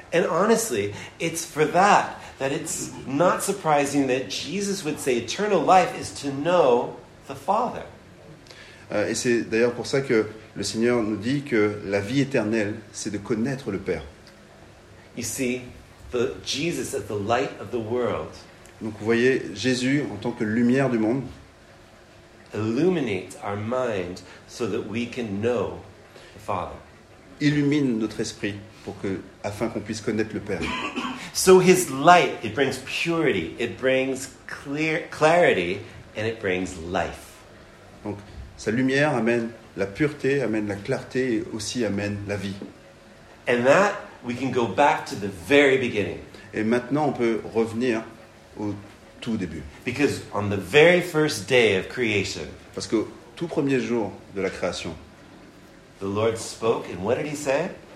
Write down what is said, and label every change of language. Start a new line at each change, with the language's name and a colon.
English: And honestly, it's for that it's not surprising that Jesus would say eternal life is to know the Father.
French: Et c'est d'ailleurs pour ça que le Seigneur nous dit que la vie éternelle, c'est de connaître le Père.
English: You see, Jesus is the light of the world.
French: Donc vous voyez, Jésus, en tant que lumière du monde,
English: illuminates our mind so that we can know the Father.
French: Illumine notre esprit afin qu'on puisse connaître le Père.
English: So his light, it brings purity, it brings clarity, and it brings life.
French: Donc, sa lumière amène la pureté, amène la clarté, et aussi amène la vie.
English: And that, we can go back to the very beginning.
French: Et maintenant, on peut revenir au tout début.
English: Because on the very first day of creation,
French: parce qu'au tout premier jour de la création,
English: the Lord spoke, and what did he say?